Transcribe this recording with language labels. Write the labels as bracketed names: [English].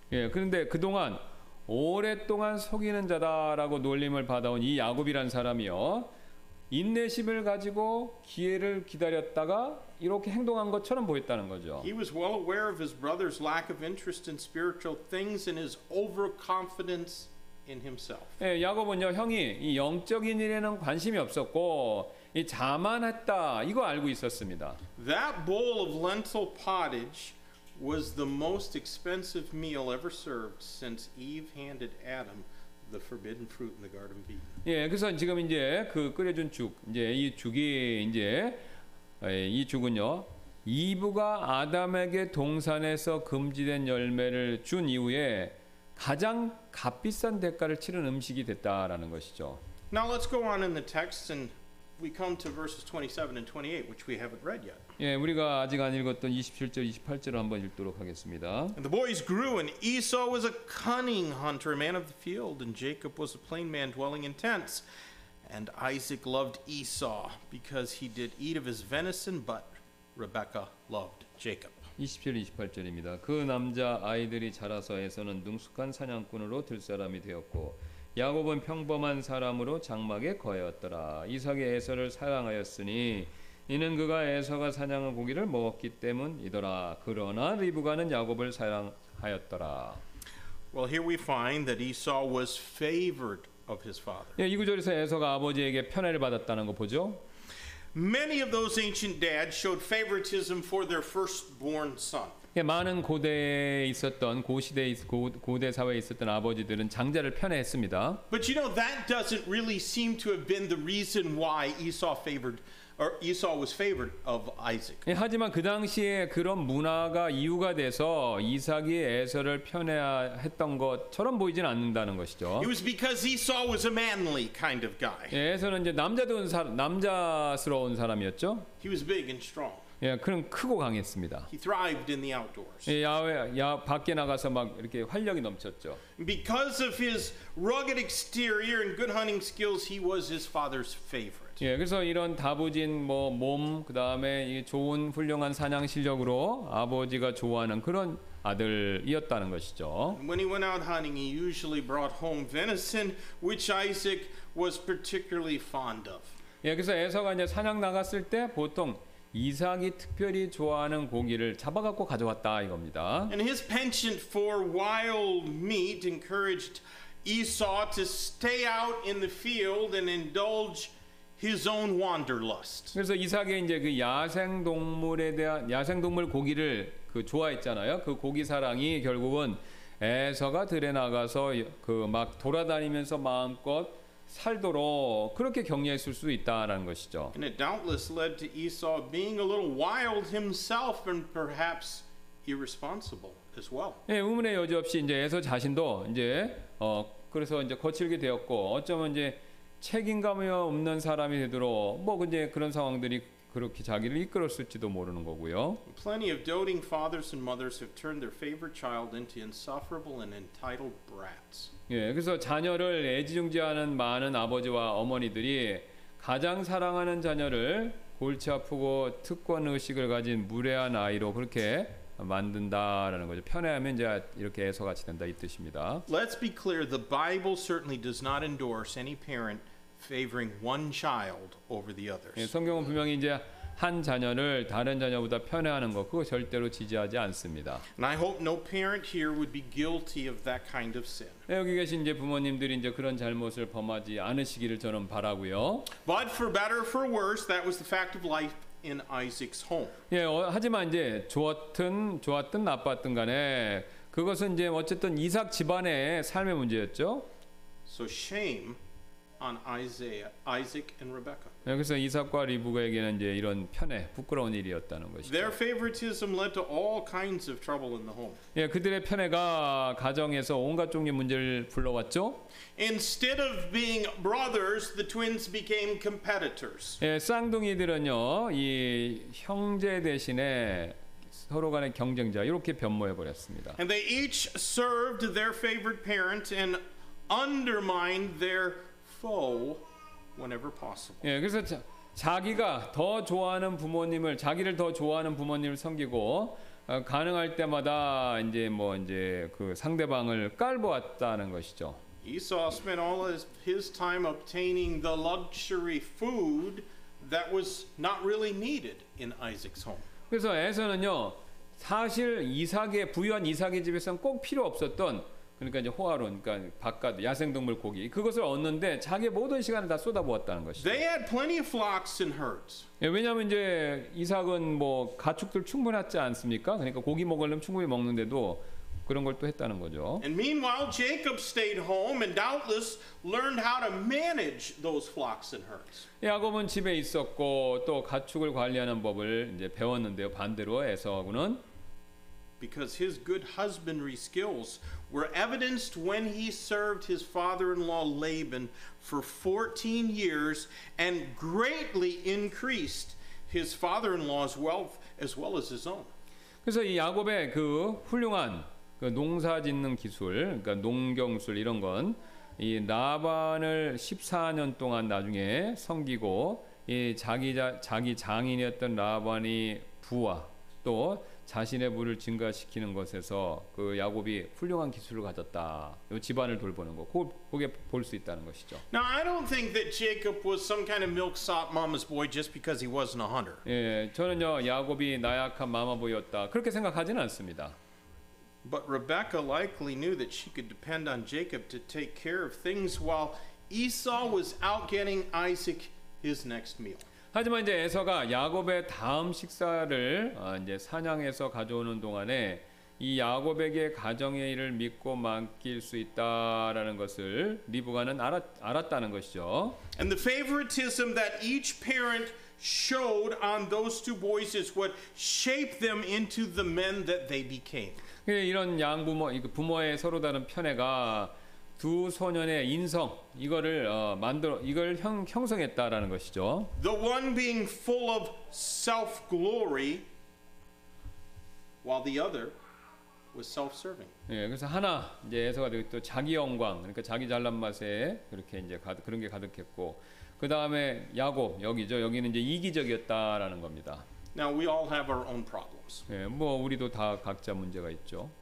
[Korean] 예, 그런데 그 동안 오랫동안 속이는 자다라고 놀림을 받아온 이 야곱이란 사람이요. 인내심을 가지고 기회를 기다렸다가 이렇게 행동한 것처럼 보였다는 거죠. [English] He was well aware of his brother's lack of interest in spiritual things and his overconfidence in himself. [Korean] 예, 야곱은요, 형이 이 영적인 일에는 관심이 없었고 이 자만했다. 이거 알고 있었습니다. [English] That bowl of lentil pottage was the most expensive meal ever served since Eve handed Adam the forbidden fruit in the garden of Eden. [Korean] 예, 그래서 지금 이제 그 끓여준 죽, 이제 이 죽이 이제 이 죽은요. 이브가 아담에게 동산에서 금지된 열매를 준 이후에 가장 값비싼 대가를 치른 음식이 됐다라는 것이죠. [English] Now let's go on in the text and we come to verses 27 and 28 which we haven't read yet. [Korean] 예, 우리가 아직 안 읽었던 27절, 28절을 한번 읽도록 하겠습니다. [English] And the boys grew, and Esau was a cunning hunter, a man of the field, and Jacob was a plain man dwelling in tents. And Isaac loved Esau because he did eat of his venison, but Rebekah loved Jacob. [Korean] 27절, 28절입니다. 그 남자 아이들이 자라서 에서는 능숙한 사냥꾼으로 들 사람이 되었고 야곱은 평범한 사람으로 장막에 거하였더라. 이삭이 에서를 사랑하였으니 이는 그가 에서가 사냥한 고기를 먹었기 때문이더라. 그러나 리브가는 야곱을 사랑하였더라. [English] Well, here we find that Esau was favored of his father. [Korean] 예, 이 구절에서 에서가 아버지에게 편애를 받았다는 거 보죠. [English] Many of those ancient dads showed favoritism for their firstborn son. [Korean] 예, 많은 고대에 있었던 고시대 고대 사회에 있었던 아버지들은 장자를 편애했습니다. [English] But you know that doesn't really seem to have been the reason why Esau favored or Esau was favored of Isaac. [Korean] 예, 하지만 그 당시에 그런 문화가 이유가 돼서 이삭이 에서를 편애했던 것처럼 보이진 않는다는 것이죠. [English] It was because Esau was a manly kind of guy. [Korean] 예, 에서는 이제 남자다운 남자스러운 사람이었죠. [English] He was big and strong. [Korean] 예, 그는 크고 강했습니다. [English] He thrived in the outdoors. [Korean] 예, 야외 밖에 나가서 막 이렇게 활력이 넘쳤죠. [English] Because of his rugged exterior and good hunting skills, he was his father's favorite. [Korean] 예, 그래서 이런 다부진 뭐 몸, 그다음에 이 좋은 훌륭한 사냥 실력으로 아버지가 좋아하는 그런 아들이었다는 것이죠. [English] When he went out hunting, he usually brought home venison, which Isaac was particularly fond of. [Korean] 예, 그래서 에서가 이제 사냥 나갔을 때 보통 이삭이 특별히 좋아하는 고기를 잡아갖고 가져왔다 이겁니다. [English] And his penchant for wild meat encouraged Esau to stay out in the field and indulge his own wanderlust. [Korean] 그래서 이삭이 이제 그 야생 동물에 대한 야생 동물 고기를 그 좋아했잖아요. 그 고기 사랑이 결국은 에서가 들에 나가서 그 막 돌아다니면서 마음껏 살도록 그렇게 격려했을 수 있다라는 것이죠. [English] And it doubtless led to Esau being a little wild himself and perhaps irresponsible as well. [Korean] 예, 의문의 여지 없이 이제 에서 자신도 이제 그래서 이제 거칠게 되었고 어쩌면 이제 책임감이 없는 사람이 되도록 뭐 이제 그런 상황들이 그렇게 자기를 이끌었을지도 모르는 거고요. [English] Plenty of doting fathers and mothers have turned their favorite child into insufferable and entitled brats. [Korean] 예, 그래서 자녀를 애지중지하는 많은 아버지와 어머니들이 가장 사랑하는 자녀를 골치 아프고 특권 의식을 가진 무례한 아이로 그렇게 만든다라는 거죠. 편애하면 이제 이렇게 애서 같이 된다 이 뜻입니다. [English] Let's be clear. The Bible certainly does not endorse any parent favoring one child over the others. [Korean] 예, 성경은 분명히 이제 한 자녀를 다른 자녀보다 편애하는 것 그거 절대로 지지하지 않습니다. [English] And I hope no parent here would be guilty of that kind of sin. [Korean] 예, 여기 계신 이제 부모님들이 이제 그런 잘못을 범하지 않으시기를 저는 바라고요. [English] But for better or for worse, that was the fact of life in Isaac's home. [Korean] 예, 하지만 이제 좋았든 나빴든 간에 그것은 이제 어쨌든 이삭 집안의 삶의 문제였죠. [English] So shame on Isaac and Rebecca. [Korean] 그래서 이삭과 리브가에게는 이제 이런 편애, 부끄러운 일이었다는 것이죠. [English] Their favoritism led to all kinds of trouble in the home. [Korean] 예, 그들의 편애가 가정에서 온갖 종류의 문제를 불러왔죠. [English] Instead of being brothers, the twins became competitors. [Korean] 예, 쌍둥이들은요, 이 형제 대신에 서로 간의 경쟁자 이렇게 변모해 버렸습니다. [English] And they each served their favorite parent and undermined their foe. Whenever possible. [Korean] 예, 그래서 자기가 더 좋아하는 부모님을 자기를 더 좋아하는 부모님을 섬기고 가능할 때마다 이제 뭐 이제 그 상대방을 깔보았다는 것이죠. [English] Esau spent all his time obtaining the luxury food that was not really needed in Isaac's home. [Korean] 그래서 에서는요 사실 이삭의 부유한 이삭의 집에서는 꼭 필요 없었던 그러니까 이제 호화로운, 그러니까 바깥 야생동물 고기 그것을 얻는데 자기의 모든 시간을 다 쏟아부었다는 것이죠. [English] They had plenty of flocks and herds. [Korean] 예, 왜냐하면 이제 이삭은 뭐 가축들 충분하지 않습니까? 그러니까 고기 먹으려면 충분히 먹는데도 그런 걸 또 했다는 거죠. [English] And meanwhile, Jacob stayed home and doubtless learned how to manage those flocks and herds. [Korean] 야곱은 집에 있었고 또 가축을 관리하는 법을 이제 배웠는데요. 반대로 에서하고는 [English] Because his good husbandry skills were evidenced when he served his father-in-law Laban for 14 years and greatly increased his father-in-law's wealth as well as his own. [Korean] 그래서 이 야곱의 그 훌륭한 그 농사 짓는 기술, 그러니까 농경술 이런 건 이 라반을 14년 동안 나중에 섬기고 이 자기 장인이었던 라반이 부와 또 자신의 부를 증가시키는 것에서 그 야곱이 훌륭한 기술을 가졌다. 요 집안을 돌보는 거, 그게 볼 수 있다는 것이죠. [English] Now I don't think that Jacob was some kind of milksop mama's boy just because he wasn't a hunter. [Korean] 예, 저는요 야곱이 나약한 마마보였다 그렇게 생각하지는 않습니다. [English] But Rebecca likely knew that she could depend on Jacob to take care of things while Esau was out getting Isaac his next meal. [Korean] 하지만 이제 에서가 야곱의 다음 식사를 이제 사냥해서 가져오는 동안에 이 야곱에게 가정의 일을 믿고 맡길 수 있다라는 것을 리브가는 알았다는 것이죠. [English] And the favoritism that each parent showed on those two boys is what shaped them into the men that they became. [Korean] 이런 양부모 부모의 서로 다른 편애가 두 소년의 인성 이거를 만들어 이걸 형성했다라는 것이죠. [English] The one being full of self-glory while the other was self-serving. [Korean] 예, 그래서 하나 이제 에서가 되고 또 자기 영광 그러니까 자기 잘난 맛에 그렇게 이제 그런 게 가득했고 그다음에 야곱 여기죠. 여기는 이제 이기적이었다라는 겁니다. [English] Now we all have our own problems. [Korean] 예, 뭐 우리도 다 각자 문제가 있죠.